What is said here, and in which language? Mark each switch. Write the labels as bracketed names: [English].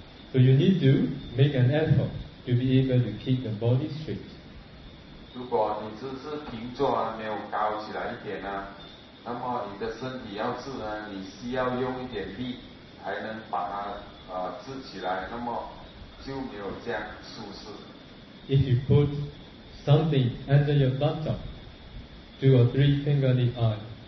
[English] So you need to make an effort to be able to keep the body straight. [Chinese] 如果你只是平坐啊，没有高起来一点呢、啊，那么你的身体要治呢，你需要用一点力才能把它治起来，那么就没有这样舒适。 [English] If you put something under your buttock, two or three fingerly high.